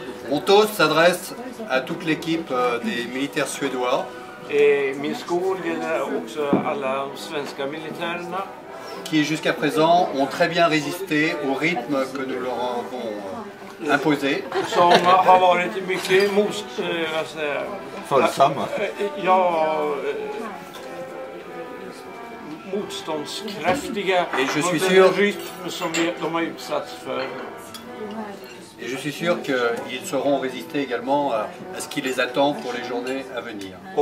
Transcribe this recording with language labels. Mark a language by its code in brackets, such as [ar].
[fr] Mon toast s'adresse à toute l'équipe des militaires suédois. [sv] Et min skål gäller också alla svenska militärerna. [fr] Qui jusqu'à présent ont très bien résisté au rythme que nous leur avons imposé. [sv] Som har varit mycket most, följsamma. Ja, motståndskraftiga. [fr] Et je suis sûr. [sv] Rythme som de har utsatts för. [fr] Et je suis sûr qu'ils sauront résister également à ce qui les attend pour les journées à venir.